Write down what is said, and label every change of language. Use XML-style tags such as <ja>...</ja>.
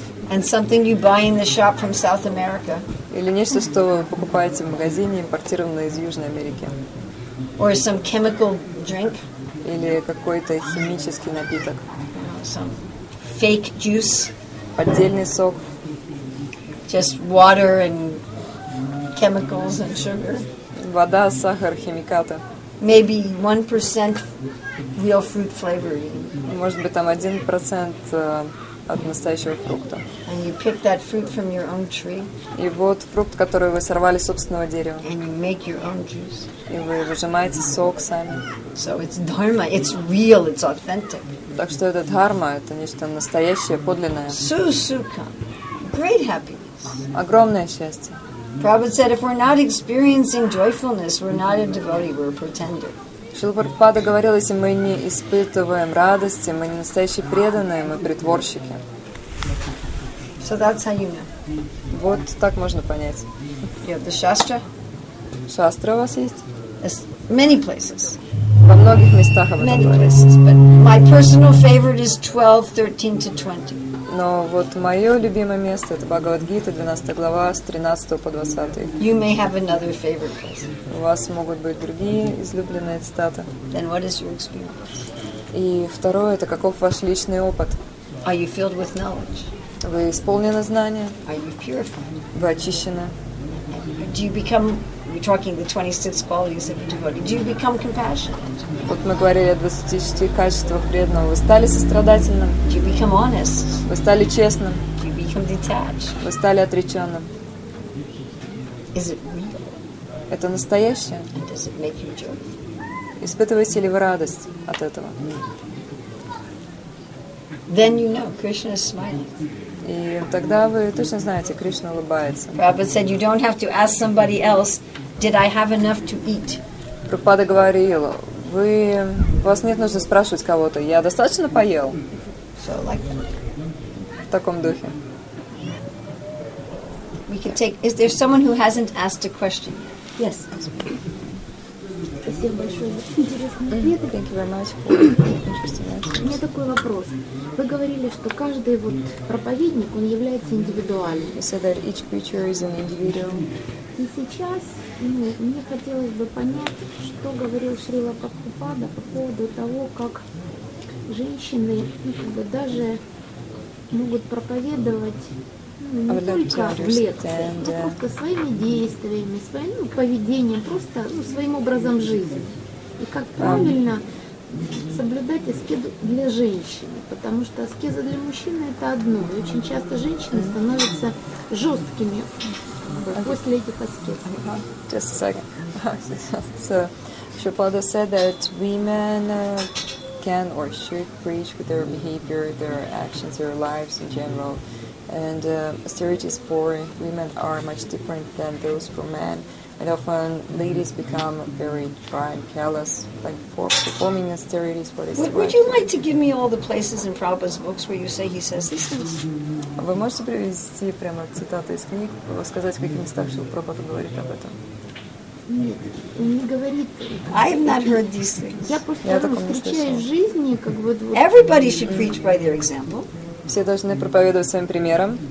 <en>And something you buy in the shop from South America.</en> <ru>Или нечто, что вы покупаете в магазине, импортированное из Южной Америки.</ru> <en>Or some chemical drink.</en> <ru>Или какой-то химический напиток.</ru> <en>Some fake juice.</en> <ru>Поддельный сок.</ru> <en>Just water and chemicals and sugar.</en> <ru>Вода, сахар, химикаты.</ru> <en>Maybe 1% real fruit flavor.</en> <ru>Может быть, там 1% от настоящего фрукта.</ru> <en>And you pick that fruit from your own tree.</en> <ru>И вот фрукт, который вы сорвали с собственного дерева.</ru> <en>And you make your own juice.</en> <ru>И вы выжимаете сок сами.</ru> <en>So it's dharma. It's real. It's authentic.</en> <ru>Так что это дхарма, это нечто настоящее, подлинное.</ru> <en>Su sukha. Great happiness.</en> <ru>Огромное счастье.</ru> <en>Prabhupada said, if we're not experiencing joyfulness, we're not a devotee, we're a pretender.</en> <ru>Шрила Прабхупада говорил, если мы не испытываем радости, мы не настоящие преданные, мы притворщики.</ru> <en>So that's how you know.</en> <ru>Вот так можно понять.</ru> <en>You have the shastra.</en> <ru>Шастра у вас есть?</ru> <en>Many places.</en> <ru>Во многих местах об этом говорят.</ru> <en>Many places, but my personal favorite is 12, 13 to 20.</en> <ru>Но вот мое любимое место это Бхагавад-гита, 12 глава, с 13 по 20.</ru> <en>You may have another favorite place.</en> <ru>У вас могут быть другие излюбленные цитаты.</ru> <en>Then what is your experience?</en> <ru>И второе, это каков ваш личный опыт?</ru> <en>Are you filled with knowledge?</en> <ru>Вы исполнены знания?</ru> <en>Are you purified?</en> <ru>Вы очищены?</ru> <en>Do you become, we're talking the 26 qualities of a devotee, do you become compassionate?</en> <ru>Вот мы говорили о 26 качествах преданного. Вы стали сострадательным?</ru> <en>Do you become honest?</en> <ru>Вы стали честным?</ru> <en>Do you become detached?</en> <ru>Вы стали отреченным?</ru> <en>Is it real?</en> <ru>Это настоящее?</ru> <en>And does it make you joyful?</en> <ru>Испытываете ли вы радость от этого?</ru> <en>Then you know, Krishna is smiling.</en> <ru>И тогда вы точно знаете, Кришна улыбается.</ru> <en>Prabhupada said, you don't have to ask somebody else, did I have enough to eat?</en> <ru>Прабхупада говорил, вы, у вас нет нужды спрашивать кого-то, я достаточно поел?</ru> <en>So like that.</en> <ru>В таком духе.</ru> <en>We could take, is there someone who hasn't asked a question? Yes.</en> <ru>Спасибо большое за интересный ответ.</ru> <en>Thank you very much.</en> <ru>У меня такой вопрос. Вы говорили, что каждый вот проповедник, он является индивидуальным.</ru> <en>You said that each preacher is an individual.</en> <ru>И сейчас, ну, мне хотелось бы понять, что говорил Шрила Прабхупада по поводу того, как женщины, ну, как бы даже могут проповедовать не только в лекции, но просто своими действиями, своим, ну, поведением, просто, ну, своим образом жизни. И как правильно соблюдать аскезу для женщины, потому что аскеза для мужчины – это одно. И очень часто женщины становятся жесткими после этих аскез.</ru> <en>Just a second. So, Shripada said that women can or should preach with their behavior, their actions, their lives in general. And austerities for women are much different than those for men. And often ladies become very dry and callous, like for performing austerities for this. Would you like to give me all the places in Prabhupada's books where you say he says these things?</en> <ru>Вы можете привести прямо цитаты из книг, сказать, в каких местах Шрила Прабхупада говорит об этом? Не говорит.</ru> <en>I have not heard these things.</en> <ru>Я просто встречаюсь в жизни, как бы.</ru> <en>Everybody should preach by their example.</en> <ru>Все должны проповедовать своим примером.</ru>